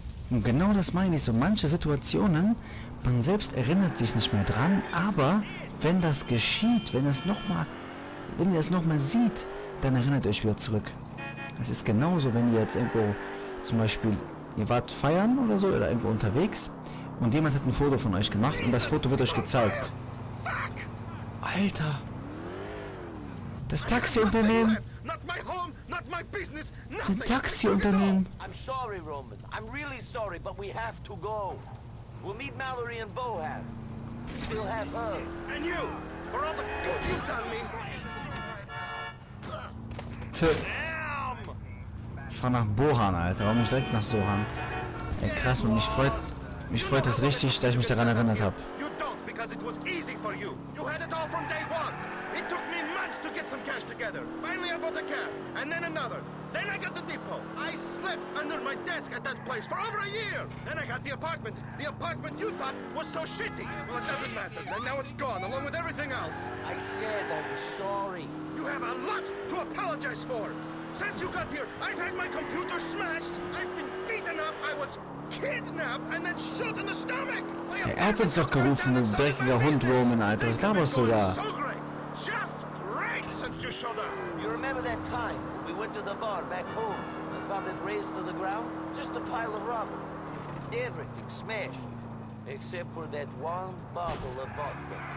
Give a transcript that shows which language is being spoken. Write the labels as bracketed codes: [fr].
[de] Und genau das meine ich so. Manche Situationen, man selbst erinnert sich nicht mehr dran, aber wenn das geschieht, wenn ihr es nochmal sieht, dann erinnert euch wieder zurück. Es ist genauso, wenn ihr jetzt irgendwo, zum Beispiel, ihr wart feiern oder so, oder irgendwo unterwegs, und jemand hat ein Foto von euch gemacht und das Foto wird euch gezeigt. Alter! Das Taxiunternehmen. [en] Not my home, not my business, nothing. [de] Das Taxiunternehmen. [en] I'm sorry, Roman. I'm really sorry, but we have to go. We'll meet Mallory and Bohan. You still have her. And you, for all the good you've done me. Damn. [de] Fahr nach Bohan, Alter. Warum nicht direkt nach Sohan? Ey, krass, man. Mich freut das richtig, dass ich mich daran erinnert habe. [en] You don't, because it was easy for you. You had it all from day one. It took me months to get some cash together. Finally, I bought a cab, and then another. Then I got the depot. I slept under my desk at that place for over a year. Then I got the apartment. The apartment you thought was so shitty. Well, it doesn't matter. And now it's gone, along with everything else. I said I was sorry. You have a lot to apologize for. Since you got here, I've had my computer smashed. I've been beaten up. I was kidnapped and then shot in the stomach. [de] Er hat uns doch gerufen, du dreckiger Hund, Roman, Alter. Was glaubst du da? [en] Just great since you showed up. You remember that time we went to the bar back home and found it razed to the ground? Just a pile of rubble. Everything smashed. except for that one bottle of vodka.